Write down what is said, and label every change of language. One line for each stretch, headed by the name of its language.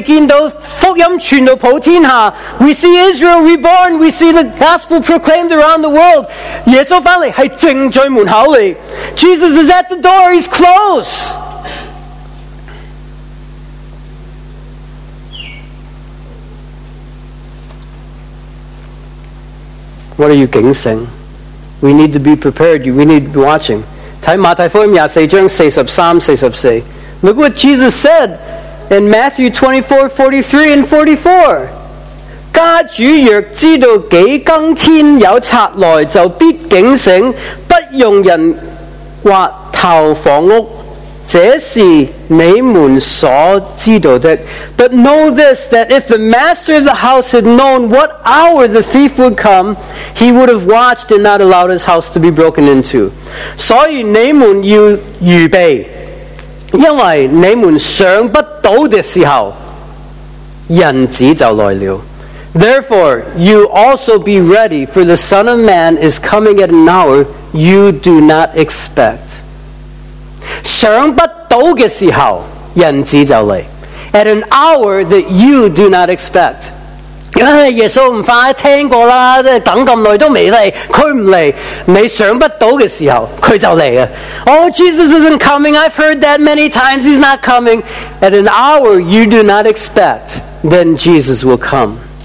Chinese: 我们看到以色列复国，我们看到福音传到普天下，
English: we see Israel reborn, we see the gospel proclaimed around the world.
Chinese: 耶稣回来，是正在门口里。
English: Jesus is at the door, he's close.
Chinese: 我们要警醒，
English: we need to be prepared, we need to be watching.
Chinese: 看马太福音24章43、44。
English: Look what Jesus said in Matthew 24:43 and 44. But know this, that if the master of the house had known what hour the thief would come, he would have watched and not allowed his house to be broken into.
Chinese: 所以你们要预备， 因为你们想不到的时候， 人子就来了。
English: Therefore, you also be ready, for the Son of Man is coming at an hour you do not expect.
Chinese: 想不到的时候， 人子就来。
English: At an hour that you do not expect.
Chinese: 耶稣不回来听过啦， 等这么久都没来， 他不来。你想不到的时候， 他就来了。
English: Oh, Jesus isn't coming, I've heard that many times, he's not coming. At an hour you do not expect, then Jesus will come.